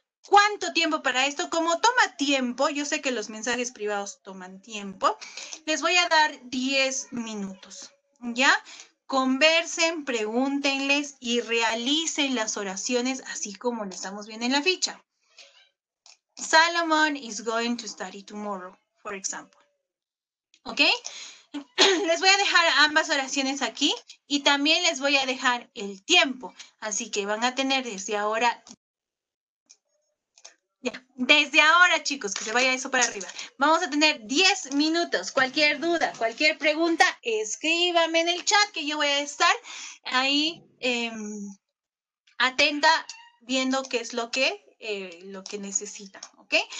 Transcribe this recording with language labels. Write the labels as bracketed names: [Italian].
[Spanish] ¿Cuánto tiempo para esto? Como toma tiempo, yo sé que los mensajes privados toman tiempo, les voy a dar 10 minutos. ¿Ya? Conversen, pregúntenles y realicen las oraciones así como lo estamos viendo en la ficha. [English] Salomón is going to study tomorrow, for example. [Spanish] ¿Ok? Les voy a dejar ambas oraciones aquí y también les voy a dejar el tiempo. Así que van a tener desde ahora. Ya. Desde ahora, chicos, que se vaya eso para arriba. Vamos a tener 10 minutos. Cualquier duda, cualquier pregunta, escríbame en el chat que yo voy a estar ahí atenta viendo qué es lo que necesitan. ¿Ok?